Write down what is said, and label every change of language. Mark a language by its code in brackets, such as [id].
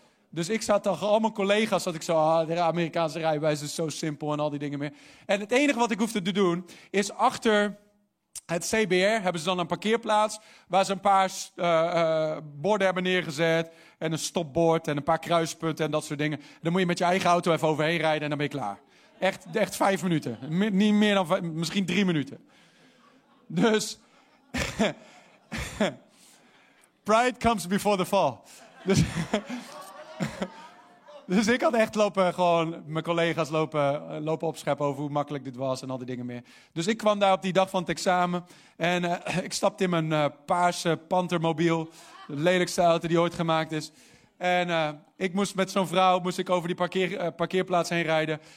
[nl] Dus ik zat dan, al mijn collega's zat ik zo, de Amerikaanse rijbewijs is zo simpel en al die dingen meer. En het enige wat ik hoefde te doen is achter het CBR hebben ze dan een parkeerplaats waar ze een paar borden hebben neergezet. En een stopbord en een paar kruispunten en dat soort dingen. Dan moet je met je eigen auto even overheen rijden en dan ben je klaar. Echt 5 minuten. Niet meer dan 5, misschien 3 minuten. [en] Dus, pride comes before the fall. [nl] Dus ik had echt lopen, gewoon mijn collega's lopen opscheppen over hoe makkelijk dit was en al die dingen meer. Dus ik kwam daar op die dag van het examen en ik stapte in mijn paarse pantermobiel. De lelijkste auto die ooit gemaakt is. En ik moest met zo'n vrouw over die parkeerplaats heen rijden.